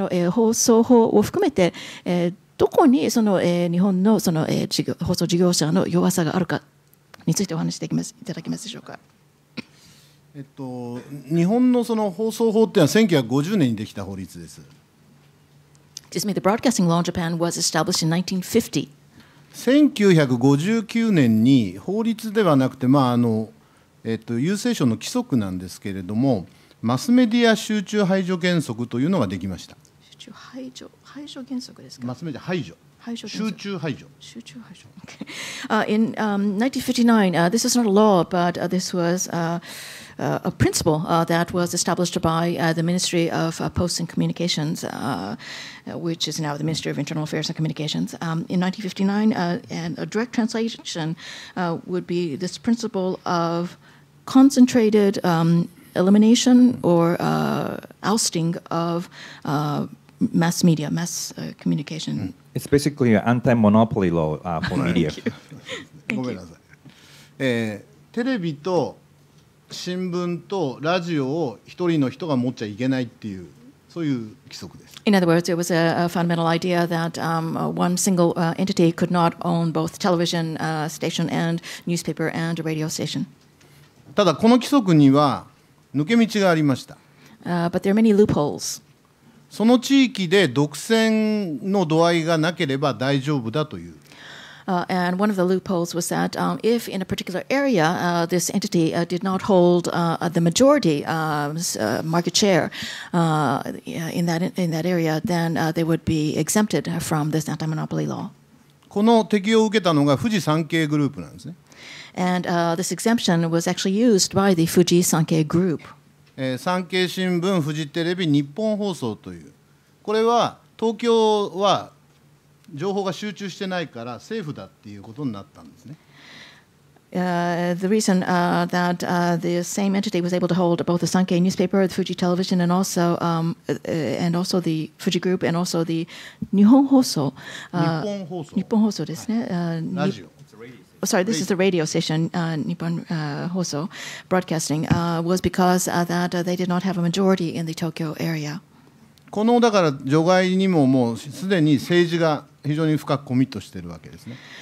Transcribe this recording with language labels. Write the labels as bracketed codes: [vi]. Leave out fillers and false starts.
[ja] 放送法を含めて、どこにその日本のその放送事業者の弱さがあるかについてお話しできます、いただけますでしょうか。日本のその放送法ってのは1950年にできた法律です。 [en] Excuse me, the broadcasting law in Japan was established in 1950. [ja] 1959年に法律ではなくて、郵政省の規則なんですけれども、マスメディア集中排除原則というのができました。 [en] In 1959, this is not a law, but this was a principle that was established by the Ministry of Posts and Communications, which is now the Ministry of Internal Affairs and Communications. In 1959, and a direct translation would be this principle of concentrated elimination or ousting of mass media, mass communication. It's basically an anti-monopoly law for media. [ja] ごめんなさい。テレビと新聞とラジオを一人の人が持っちゃいけないっていう、そういう規則です。 [en] In other words, it was a fundamental idea that one single entity could not own both television station and newspaper and radio station. [ja] ただこの規則には抜け道がありました。 [en] But there are many loopholes. [ja] その地域で独占の度合いがなければ大丈夫だという。 [en] And one of the loopholes was that if in a particular area this entity did not hold the majority market share in that area, then they would be exempted from this anti-monopoly law. [ja] この適用を受けたのが富士産経グループなんですね。 [en] And this exemption was actually used by the Fuji Sankei Group. [ja] 産経新聞、フジテレビ、日本放送という、これは東京は情報が集中してないから政府だっていうことになったんですね。 [en] The reason that the same entity was able to hold both the Sankei newspaper, the Fuji television, and also and also the Fuji group, and also the [ja] 日本放送ですね。ラジオ。 [en] Sorry, this is the radio station, Nippon Hoso Broadcasting, was because that they did not have a majority in the Tokyo area. [ja] このだから除外にももうすでに政治が非常に深くコミットしているわけですね。